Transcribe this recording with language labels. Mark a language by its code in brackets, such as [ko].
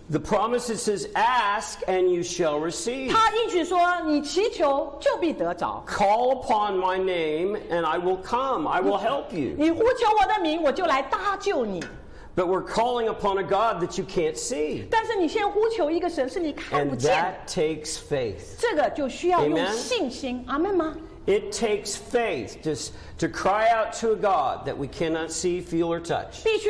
[en] The promise says, ask and you shall receive. [zh] 他应许说,你祈求就必得着。 [en] Call upon my name and I will come, I will help you. [zh] 你呼求我的名,我就来搭救你。 [en] But we're calling upon a God that you can't see. [zh] 但是你现在呼求一个神是你看不见。 [en] And that takes faith. [zh] 这个就需要用信心,阿们吗? [en] It takes faith just to cry out to a God that we cannot see, feel, or touch.